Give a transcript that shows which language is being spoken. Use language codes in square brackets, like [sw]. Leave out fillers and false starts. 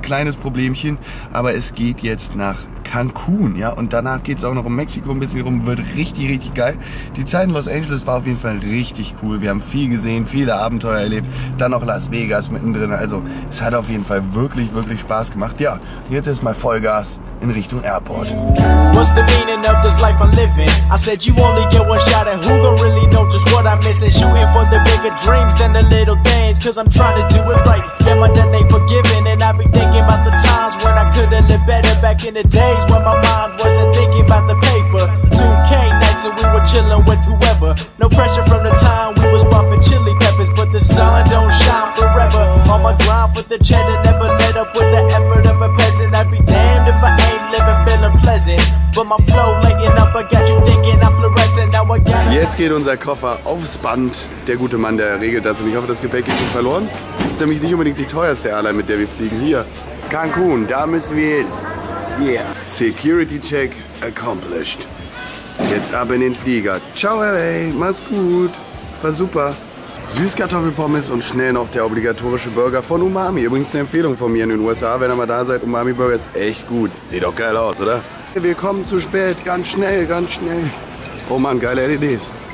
[de] Kleines Problemchen, aber es geht jetzt nach Cancun, ja, und danach geht es auch noch um Mexiko ein bisschen rum, wird richtig, richtig geil. Die Zeit in Los Angeles war auf jeden Fall richtig cool. Wir haben viel gesehen, viele Abenteuer erlebt, dann noch Las Vegas mittendrin. Also es hat auf jeden Fall wirklich, wirklich Spaß gemacht. Ja, jetzt erstmal Vollgas in Richtung Airport. [en] What's the meaning of this life I'm living? I said you only get one shot and who gonna really know just what I'm missing? Shooting for the bigger dreams than the little things, cause I'm trying to do it right. Yeah, my death ain't forgiven and I've been thinking about the times when I could have lived better back in the days when my mind wasn't thinking about the paper. 2K nights and we were chilling with whoever. No pressure from the time we was bumping chili peppers, but the sun don't shine forever. On my grind with the cheddar, never let up with the effort of a peasant. I'd be damned if I ain't living feeling pleasant. But my flow laying up, I got you thinking I'm fluorescent. Now I got. [de] Jetzt geht unser Koffer aufs Band. Der gute Mann, der regelt das. Und ich hoffe, das Gepäck ist nicht verloren. Ist nämlich nicht unbedingt die teuerste Airline, mit der wir fliegen. Hier, Cancun, da müssen wir hin. Yeah. [en] Security check accomplished. [de] Jetzt ab in den Flieger. Ciao, LA. Mach's gut. War super. Süßkartoffelpommes und schnell noch der obligatorische Burger von Umami. Übrigens eine Empfehlung von mir in den USA, wenn ihr mal da seid. Umami-Burger ist echt gut. Sieht doch geil aus, oder? Wir kommen zu spät. Ganz schnell, ganz schnell. Oh Mann, geile LEDs.